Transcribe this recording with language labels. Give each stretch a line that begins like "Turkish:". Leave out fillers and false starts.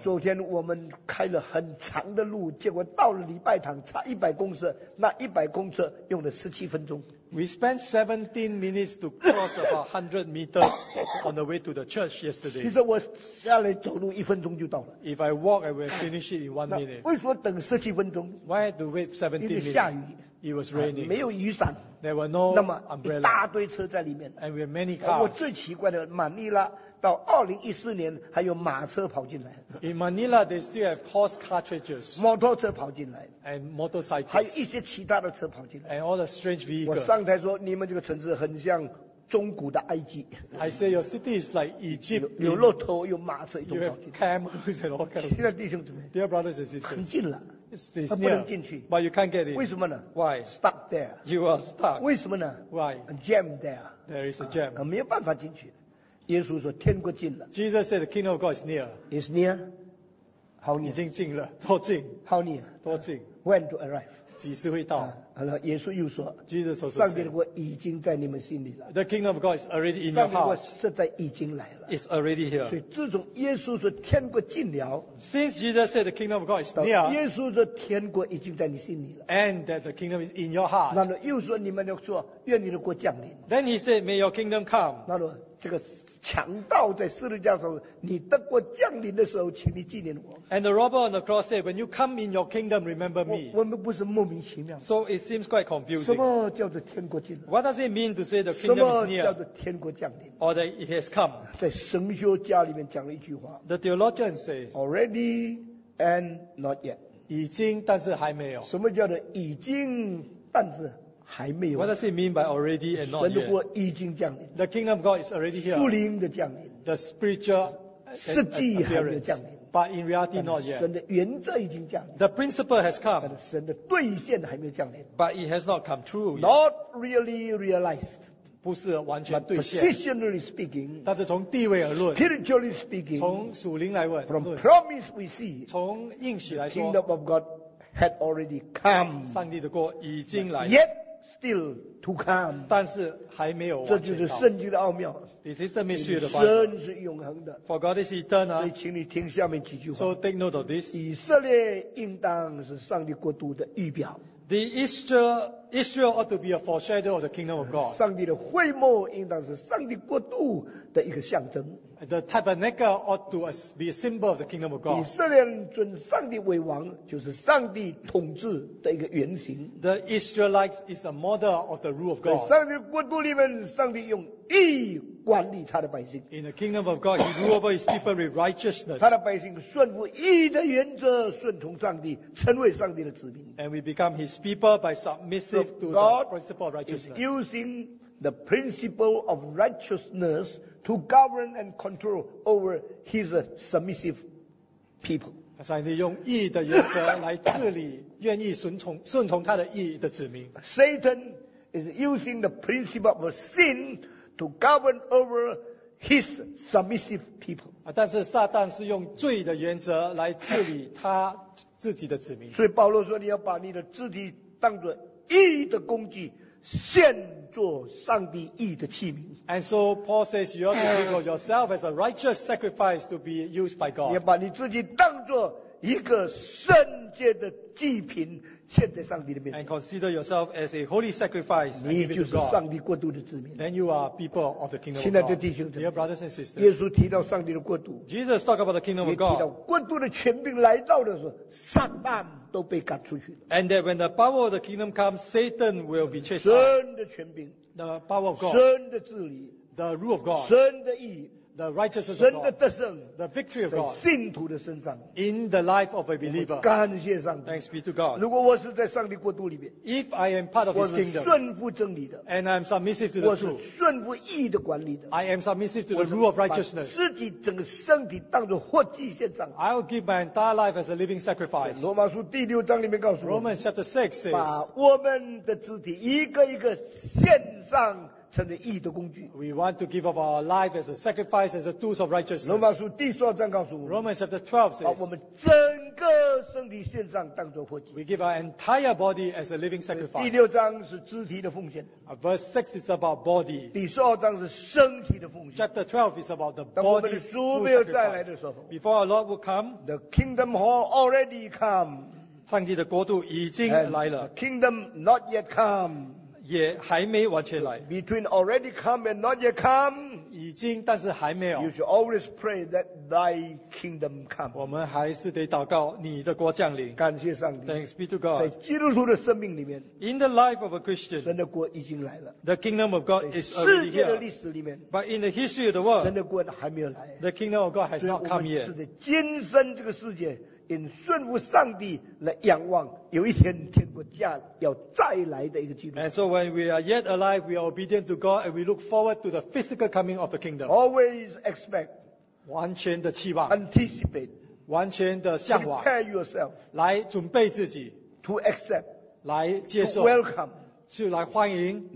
Chinese: 昨天我们开了很长的路，结果到了礼拜堂差100公尺，那100公尺用了17分钟。
English: We spent 17 minutes to cross about 100 meters on the way to the church yesterday.
Chinese: 其实我下来走路1分钟就到了。
English: If I walk, I will finish it in 1 minute.
Chinese: 为什么等十七分钟
English: ？Why to wait 17 minutes?
Chinese: 因为下雨。
English: It was raining.
Chinese: 没有雨伞。
English: There were no umbrella.
Chinese: 那么一大堆车在里面。
English: And we have many cars.
Chinese: 我最奇怪的，马尼拉到2014年还有马车跑进来。
English: In Manila, they still have horse cartridges.
Chinese: 摩托车跑进来。
English: And motorcycles.
Chinese: 还有一些其他的车跑进来。
English: And all the strange vehicles.
Chinese: 我上台说，你们这个城市很像中古的埃及。
English: I say your city is like Egypt.
Chinese: 有骆驼，有马车，一种跑进来。
English: You have camels and all kinds.
Chinese: 现在弟兄姊妹。
English: Dear brothers and sisters.
Chinese: 很近了。
English: It's near,
Chinese: 不能进去
English: but you can't get in.
Chinese: 为什么呢
English: Why? Stuck there. You are stuck.
Chinese: 为什么呢
English: Why? A jam there. There is a jam.
Chinese: 没有办法进去。耶稣说天国近了。
English: Jesus said the kingdom of God is near. It's near? How near?
Chinese: 已经近了。多近
English: How near?
Chinese: 多近
English: When to arrive?
Chinese: 几时会到耶稣又说
English: Jesus also said,
Chinese: 上帝的国已经在你们心里了。
English: The kingdom of God is already in your heart.
Chinese: 上帝的国实在已经来了。
English: It's already here.
Chinese: 所以自从耶稣说天国近了。
English: Since Jesus said the kingdom of God is near.
Chinese: 耶稣说天国已经在你心里了。
English: And that the kingdom is in your heart.
Chinese: 那么又说你们要说愿你的国降临。
English: Then he said, may your kingdom come.
Chinese: 那么这个强盗在十字架上你的国降临的时候请你纪念我。
English: And the robber on the cross said, when you come in your kingdom, remember me.
Chinese: 我们不是莫名其妙。
English: So it seems quite confusing.
Chinese: 什么叫做天国降临
English: What does it mean to say the kingdom is near?
Chinese: 什么叫做天国降临
English: Or that it has come.
Chinese: 在神学家里面讲了一句话。
English: The theologian says, already and not yet.
Chinese: 已经但是还没有。什么叫做已经但是还没有。
English: What does it mean by already and not yet?
Chinese: 神的国已经降临。
English: The kingdom of God is already here.
Chinese: 属灵的降临。
English: The spiritual appearance. But in reality not yet.
Chinese: 神的原则已经降临。
English: The principle has come.
Chinese: 神的兑现还没有降临。
English: But it has not come true yet. Not really realized.
Chinese: 不是完全兑现。
English: Positionally speaking.
Chinese: 但是从地位而论。
English: Spiritually speaking.
Chinese: 从属灵来问。
English: From promise we see.
Chinese: 从应许来说。
English: The kingdom of God had already come.
Chinese: 上帝的国已经来了。
English: Yet. Still to come.
Chinese: 但是还没有完成到。这就是圣经的奥妙。
English: This is the mystery of the Bible.
Chinese: 神是永恒的。
English: For God is eternal.
Chinese: 所以请你听下面几句话。
English: So take note of this.
Chinese: 以色列应当是上帝国度的预表。
English: The Israel ought to be a foreshadow of the kingdom of God.
Chinese: 上帝的会幕应当是上帝国度的一个象征。
English: The tabernacle ought to be a symbol of the kingdom of God.
Chinese: 以色列人尊上帝为王，就是上帝统治的一个原型。
English: The Israelites is a model of the rule of God.
Chinese: 在上帝国度里面，上帝用义管理他的百姓。
English: In the kingdom of God, He rules over His people with righteousness.
Chinese: 他的百姓顺服义的原则，顺从上帝，成为上帝的子民。
English: And we become His people by submissive to the principle of righteousness. God is using the principle of righteousness. To govern and control over his submissive people.
Chinese: 上帝用义的原则来治理愿意顺从他的义的子民。
English: Satan is using the principle of sin to govern over his submissive people.
Chinese: 但是撒旦是用罪的原则来治理他自己的子民。所以保罗说你要把你的肢体当作义的工具献做上帝义的器皿。
English: And so Paul says, you ought to think of yourself as a righteous sacrifice to be used by God.
Chinese: 你把你自己当作一个圣洁的祭品献在上帝的面前。
English: And consider yourself as a holy sacrifice.
Chinese: 你就是上帝国度的子民。
English: Then you are people of the kingdom of God.
Chinese: 亲爱的弟兄姊妹
English: ，Dear brothers and sisters,
Chinese: 耶稣提到上帝的国度。
English: Jesus talked about the kingdom of God.
Chinese: 提到国度的权柄来到的时候，撒旦。都被赶出去了。
English: And that when the power of the kingdom comes, Satan will be chased out.
Chinese: 神的权柄
English: the power of God.
Chinese: 神的治理
English: the rule of God.
Chinese: 神的义
English: the righteousness of God.
Chinese: 神的得胜
English: the victory of God.
Chinese: 在信徒的身上
English: in the life of a believer.
Chinese: 感谢上帝
English: thanks be to God.
Chinese: 如果我是在上帝国度里面
English: if I am part of His kingdom.
Chinese: 我是顺服真理的
English: and I am submissive to the truth.
Chinese: 我是顺服义的管理的
English: I am submissive to the rule of righteousness.
Chinese: 自己整个身体当作活祭献上
English: I will give my entire life as a living sacrifice.
Chinese: 罗马书第六章里面告诉我们
English: Romans chapter 6 says,
Chinese: 把我们的肢体一个一个献上成为义的工具。
English: We want to give up our life as a sacrifice, as a tools of righteousness.
Chinese: 罗马书第十二章告诉我们。
English: Romans chapter 12 says.
Chinese: 把我们整个身体献上，当作活祭。
English: We give our entire body as a living sacrifice.
Chinese: 第六章是肢体的奉献。
English: Verse 6 is about body.
Chinese: 第十二章是身体的奉献。
English: Chapter 12 is about the body.
Chinese: 当我们的主没有再来的时候。
English: Before our Lord will come. The kingdom hall already come.
Chinese: 上帝的国度已经来了。
English: The kingdom not yet come.
Chinese: 也还没完全来。
English: Between already come and not yet come.
Chinese: 已经但是还没有。
English: You should always pray that thy kingdom come.
Chinese: 我们还是得祷告你的国降临。感谢上帝。
English: Thanks be to God.
Chinese: 在基督徒的生命里面。
English: In the life of a Christian.
Chinese: 神的国已经来了。
English: The kingdom of God is already here.
Chinese: 世界的历史里面。
English: But in the history of the world.
Chinese: 神的国还没有来。
English: The kingdom of God has not come yet.
Chinese: 是的，今生这个世界。
English: In
Chinese: 顺服上帝来仰望，有一天天国家要再来的一个记录。
English: And so when we are yet alive, we are obedient to God and we look forward to the physical coming of the kingdom. Always expect.
Chinese: 完全的期望。
English: Anticipate.
Chinese: 完全的向往。
English: Prepare yourself.
Chinese: 来准备自己。
English: To accept.
Chinese: 来接受。
English: To welcome.
Chinese: 去来欢迎。